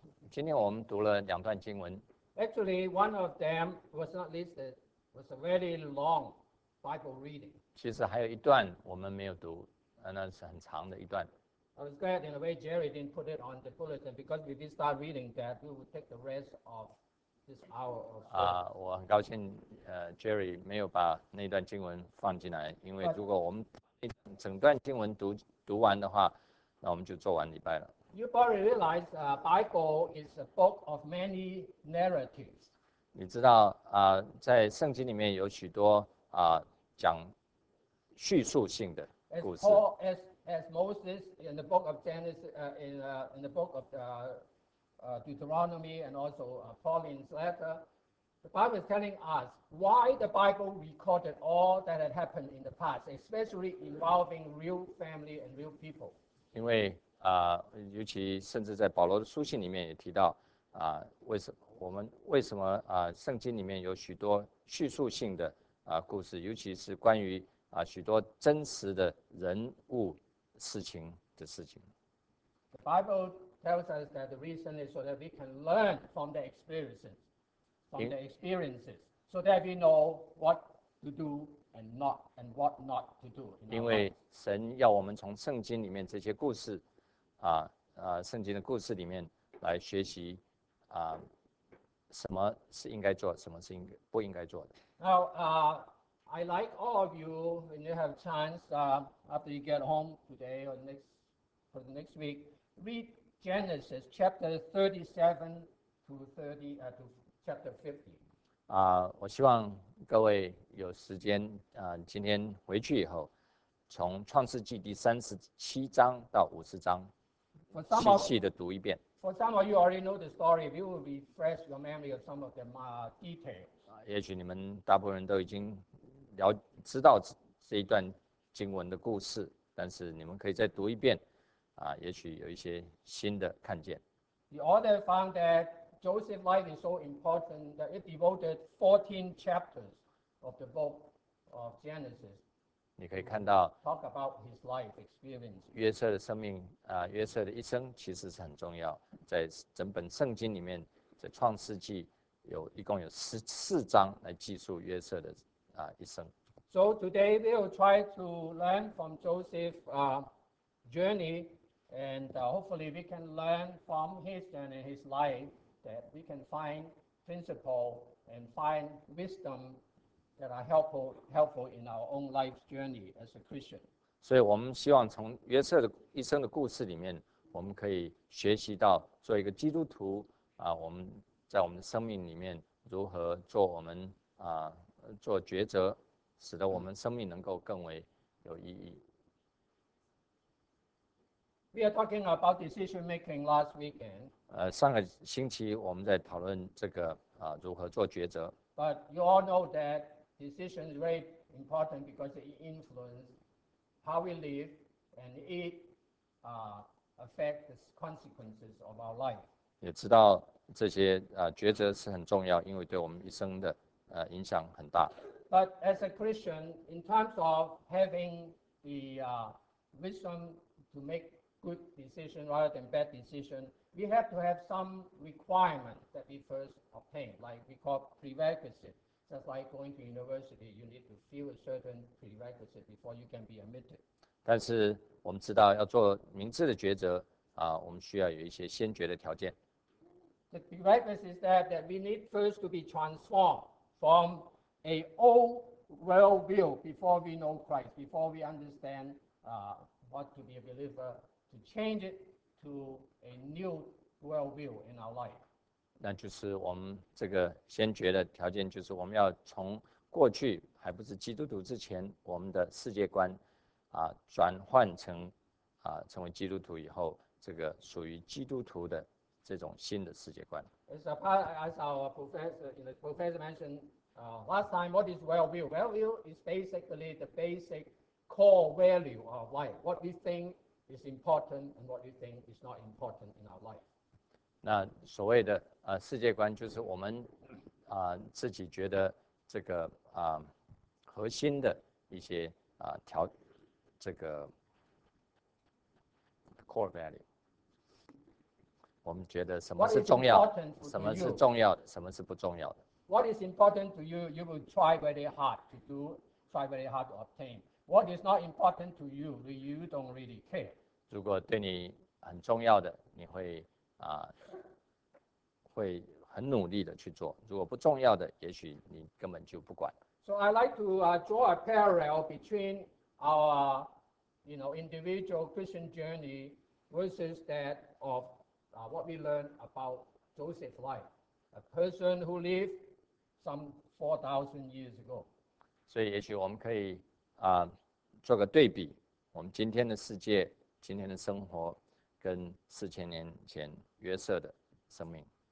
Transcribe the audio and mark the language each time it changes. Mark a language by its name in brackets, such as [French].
[Chinese] 今天我们读了两段经文。 [English] Actually, one of them was not listed. Was a very long Bible reading. [Chinese] 其实还有一段我们没有读，那是很长的一段。 [English] I was glad in a way Jerry didn't put it on the bulletin because we did start reading that we would take the rest of this hour or so. [Chinese] 我很高兴Jerry 没有把那段经文放进来，因为如果我们整段经文读完的话，那我们就做完礼拜了。 [English] You probably realize Bible is a book of many narratives. [Chinese] 你知道在圣经里面有许多讲叙述性的故事。 [English] As Moses in the book of Genesis, in the book of Deuteronomy, and also Pauline's letter, the Bible is telling us why the Bible recorded all that had happened in the past, especially involving real family and real people. [Chinese] 因为尤其甚至在保罗的书信里面也提到为什么圣经里面有许多叙述性的故事，尤其是关于许多真实的人物。事情的事情。 [English] The Bible tells us that the reason is so that we can learn from the experiences, from the experiences, so that we know what to do and what not to do. [Chinese] 因为神要我们从圣经里面这些故事，圣经的故事里面来学习，什么是应该做，什么是不应该做的。 [English] Now, I like all of you when you have a chance after you get home today or for the next week, read Genesis chapter 37 to 30 to chapter 50. [Chinese] 我希望各位有时间今天回去以后，从创世纪第37章到50章，细细的读一遍。 [English] For some of you already know the story, we will refresh your memory of some of the details. [Chinese] 也许你们大部分人都已经要知道这一段经文的故事，但是你们可以再读一遍，也许有一些新的看见。 [English] The author found that Joseph's life is so important that it devoted 14 chapters of the book of Genesis. [Chinese] 你可以看到 [English] talk about his life experience. [Chinese] 约瑟的生命，约瑟的一生其实是很重要，在整本圣经里面，在创世纪有一共有14章来记述约瑟的。 [English] So today we will try to learn from Joseph's journey, and hopefully we can learn from his journey and his life that we can find principle and find wisdom that are helpful in our own life's journey as a Christian. [Chinese] 所以我们希望从约瑟的一生的故事里面，我们可以学习到做一个基督徒我们在我们的生命里面如何做我们做抉择，使得我们生命能够更为有意义。 [English] We are talking about decision making last weekend. [Chinese] 上个星期我们在讨论这个如何做抉择。 [English] But you all know that decision is very important because it influences how we live and it affects the consequences of our life. [Chinese] 也知道这些抉择是很重要，因为对我们一生的影响很大。 [English] But as a Christian, in terms of having the wisdom to make good decision rather than bad decision, we have to have some requirement that we first obtain, like we call prerequisite. Just like going to university, you need to fill a certain prerequisite before you can be admitted. [Chinese] 但是我们知道要做明智的抉择我们需要有一些先决的条件。 [English] The prerequisite is that we need first to be transformed. From a old worldview before we know Christ, before we understand what to be a believer to change it to a new worldview in our life. [Chinese] 那就是我们这个先决的条件，就是我们要从过去还不是基督徒之前，我们的世界观啊转换成啊成为基督徒以后，这个属于基督徒的这种新的世界观。 [English] As a part, as our professor mentioned, last time, what is worldview? Worldview is basically the basic core value of life. What we think is important and what we think is not important in our life. [Chinese] 那所谓的世界观就是我们自己觉得这个核心的一些条这个 [English] core value。 [Chinese] 我们觉得什么是重要，什么是重要的，什么是不重要的。 [English] What is important to you, you will try very hard to do, try very hard to obtain. What is not important to you, you don't really care. [Chinese] 如果对你很重要的，你会会很努力的去做。如果不重要的，也许你根本就不管。 [English] So I like to draw a parallel between our, you know, individual Christian journey versus that of what we learn about Joseph's life, a person who lived some 4,000 years ago. [Chinese] 所以也许我们可以做个对比，我们今天的世界，今天的生活，跟4000年前约瑟的生命。